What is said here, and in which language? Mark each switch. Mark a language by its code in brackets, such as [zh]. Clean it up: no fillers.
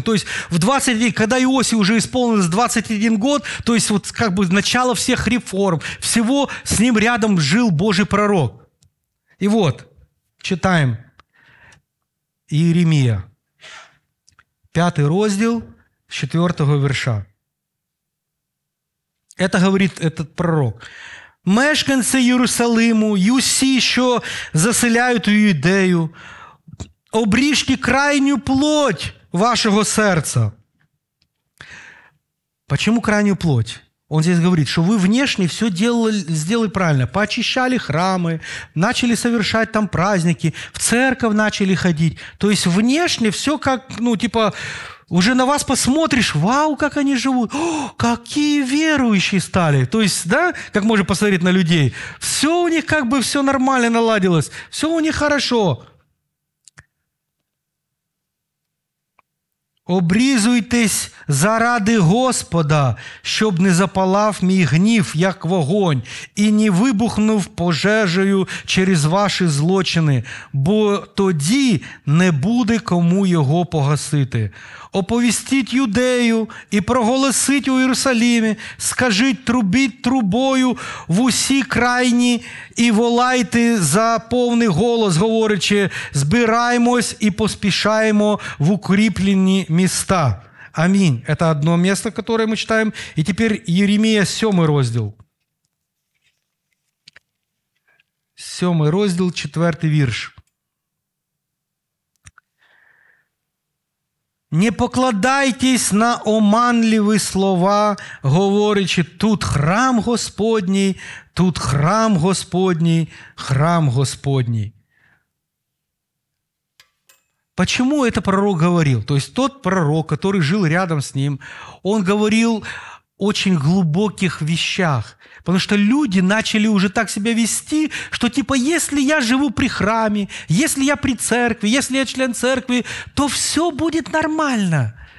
[ru] То есть в 20-й, когда Иосиф уже исполнилось 21 год, то есть вот как бы начало всех реформ, всего с ним рядом жил Божий пророк. И вот, читаем. Иеремия, 5 раздел, 4 верша. Это говорит этот пророк. [uk] «Мешканці Єрусалиму, юсі, що заселяють у Юдею, обріжте крайню плоть вашого серця». [ru] Почему крайню плоть? Он здесь говорит, что вы внешне все сделали правильно. Поочищали храмы, начали совершать там праздники, в церковь начали ходить. То есть внешне все как, ну, типа, уже на вас посмотришь, вау, как они живут. О, какие верующие стали. То есть, да, как можно посмотреть на людей. Все у них как бы все нормально наладилось. Все у них хорошо. [uk] «Обрізуйтесь заради Господа, щоб не запалав мій гнів, як вогонь, і не вибухнув пожежею через ваші злочини, бо тоді не буде кому його погасити. Оповістіть Юдею і проголосіть у Єрусалимі, скажіть трубіть трубою в усі крайні і волайте за повний голос, говорячи, збираємось і поспішаємо в укріплені міста». Амінь. Це одне місце, яке ми читаємо. І тепер Єремія, 7 розділ. 7 розділ, 4 вірш. «Не покладайтесь на оманливі слова, говорячи, тут храм Господній, тут храм Господній, храм Господній». [ru] Почему это пророк говорил? То есть тот пророк, который жил рядом с ним, он говорил очень глубоких вещах. Потому что люди начали уже так себя вести, что типа, если я живу при храме, если я при церкви, если я член церкви, то все будет нормально.